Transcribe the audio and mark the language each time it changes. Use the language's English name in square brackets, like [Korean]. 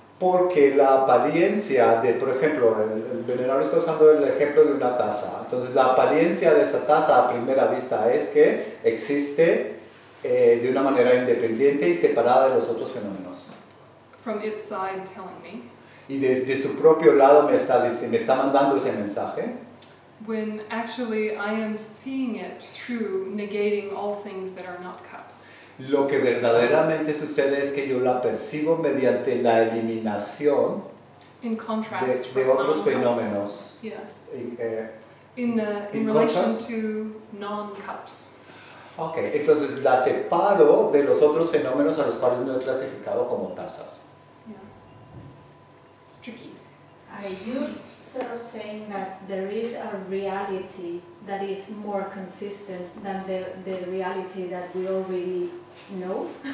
[Spanish] Porque la apariencia de, por ejemplo, el venerable está usando el ejemplo de una taza. Entonces, la apariencia de esa taza a primera vista es que existe de una manera independiente y separada de los otros fenómenos. [English] From its side telling me. [Spanish] Y desde su propio lado me está mandando ese mensaje. [English] When actually I am seeing it through negating all things that are not cup. [Spanish] Lo que verdaderamente sucede es que yo la percibo mediante la eliminación [English] in contrast [Spanish] de otros fenómenos. [English] Yeah. In relation to non-cups. [Spanish] Okay, entonces la separo de los otros fenómenos a los cuales no he clasificado como tazas. [English] Tricky. Are you sort of saying that there is a reality that is more consistent than the reality that we already know?